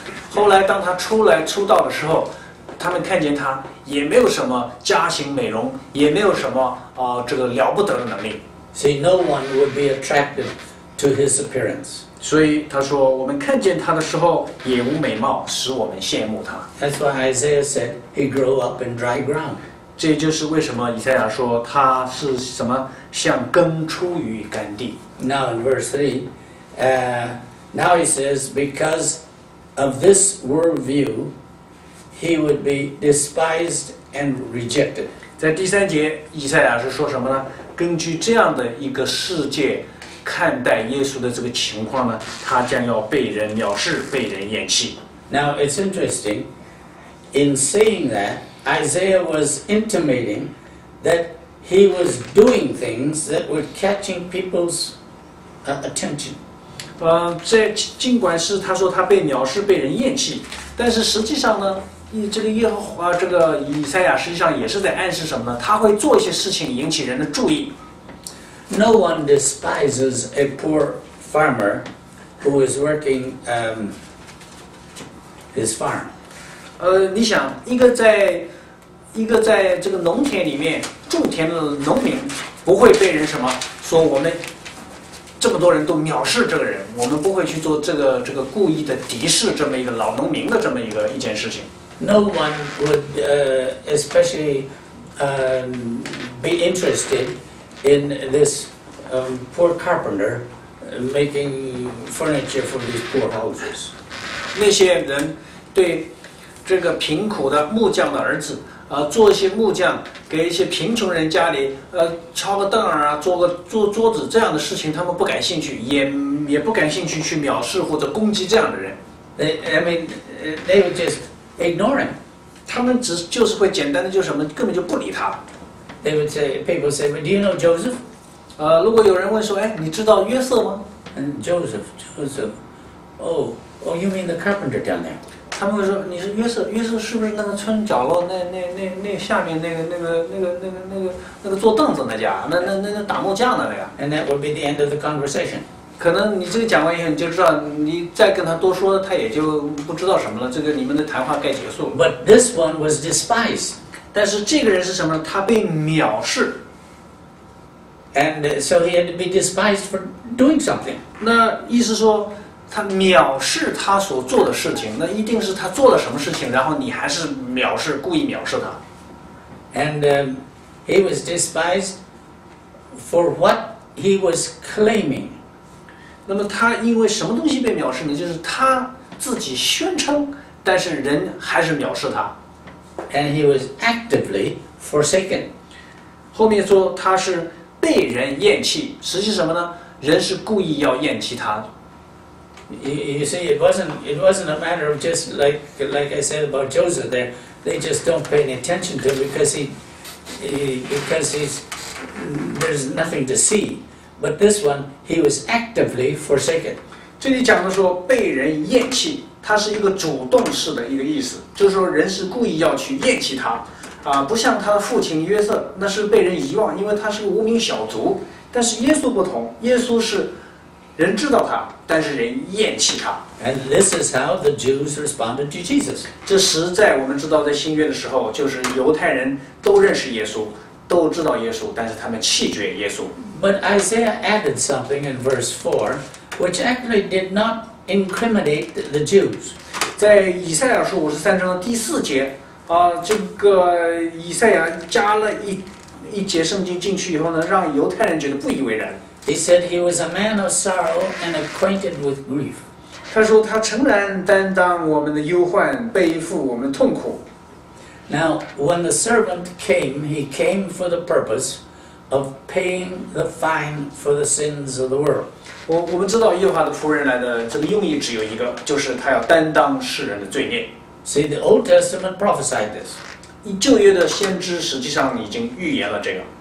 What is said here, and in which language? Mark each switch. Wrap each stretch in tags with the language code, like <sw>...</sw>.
<zh>后来当他出来出道的时候，他们看见他也没有什么家型美容，也没有什么这个了不得的能力。</zh> <en>See, no one would be attractive to his appearance.</en> <zh>所以他说，我们看见他的时候，也无美貌，使我们羡慕他。</zh> <en>That's why Isaiah said he grew up in dry ground.</en> <zh>这就是为什么以赛亚说他是什么，像根出于干地。</zh> <en>Now in verse 3, now he says, because of this worldview, he would be despised and rejected.</en> <zh>在第三节，以赛亚是说什么呢？根据这样的一个世界看待耶稣的这个情况呢，他将要被人藐视，被人厌弃。</zh> <en>Now it's interesting, in saying that, Isaiah was intimating that he was doing things that were catching people'sattention.</en> <zh>尽管是他说他被藐视，被人厌弃，但是实际上呢，这个以赛亚实际上也是在暗示什么呢？他会做一些事情引起人的注意。</zh> <en>No one despises a poor farmer who is working his farm.</en> <zh>你想一个在这个农田里面种田的农民，不会被人什么说我们这么多人都藐视这个人，我们不会去做这个故意的敌视这么一个老农民的这么一件事情。</zh> <en>No one would especially be interested in this poor carpenter making furniture for these poor houses.</en> <zh>那些人对这个贫苦的木匠的儿子，做一些木匠给一些贫穷人家里，敲个凳儿啊，做桌子这样的事情，他们不感兴趣，也不感兴趣去藐视或者攻击这样的人。</zh> <en>They would just ignore him.</en> <zh>他们只就是会简单的就什么，根本就不理他。</zh> <en>They would say, people say, "Do you know Joseph?"</en> <zh>如果有人问说，哎，你知道约瑟吗</zh> <en>？And Joseph, oh, you mean the carpenter down there?</en> <zh>他们会说你是约瑟，约瑟是不是那个村角落那下面那个坐凳子那家，那打木匠的那个。</zh> <en>And that would be the end of the conversation.</en> <zh>可能你这个讲完以后你就知道，你再跟他多说他也就不知道什么了，这个你们的谈话该结束了。</zh> <en>But this one was despised.</en> <zh>但是这个人是什么？他被藐视。</zh> <en>And so he had to be despised for doing something.</en> <zh>那意思说。他藐视他所做的事情，那一定是他做了什么事情，然后你还是藐视，故意藐视他。</zh> <en>And he was despised for what he was claiming.</en> <zh>那么他因为什么东西被藐视呢？就是他自己宣称，但是人还是藐视他。</zh> <en>And he was actively forsaken.</en> <zh>后面说他是被人厌弃，实际什么呢？人是故意要厌弃他。</zh> <en>You see, it wasn't a matter of just like I said about Joseph there, they just don't pay any attention to him because there's nothing to see. But this one, he was actively forsaken.</en> <zh>这里讲的说被人厌弃，它是一个主动式的一个意思，就是说人是故意要去厌弃他，不像他的父亲约瑟，那是被人遗忘，因为他是个无名小卒。但是耶稣不同，耶稣是。人知道他，但是人厌弃他。</zh> <en>And this is how the Jews responded to Jesus.</en> <zh>这实在我们知道，在新约的时候，就是犹太人都认识耶稣，都知道耶稣，但是他们弃绝耶稣。</zh> <en>But Isaiah added something in verse 4, which actually did not incriminate the Jews.</en> <zh>在以赛亚书53章的第四节，这个以赛亚加了一节圣经进去以后呢，让犹太人觉得不以为然。</zh> <en>He said he was a man of sorrow and acquainted with grief.</en> <zh>他说他诚然担当我们的忧患，背负我们的痛苦。</zh> <en>Now, when the servant came, he came for the purpose of paying the fine for the sins of the world.</en> <zh>我们知道耶和华的仆人来的这个用意只有一个，就是他要担当世人的罪孽。</zh> <en>See, the Old Testament prophesied this.</en> <zh>旧约的先知实际上已经预言了这个。</zh>